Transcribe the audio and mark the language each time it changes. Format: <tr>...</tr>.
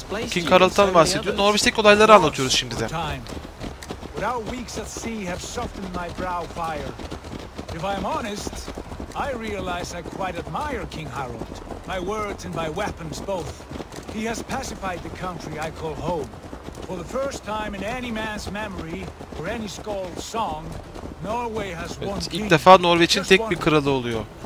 <tr>King Harald'tan bahsediyor. Norveç'teki olayları anlatıyoruz şimdi de.</tr> <en>Without weeks at sea have softened my brow fire. If I am honest, I realize I quite admire King Harald. My words and my weapons both. He has pacified the country I call home. For the first time in any man's memory or any skald's song, Norway has won.</en> <tr>Evet, ilk defa Norveç'in tek bir kralı oluyor.</tr>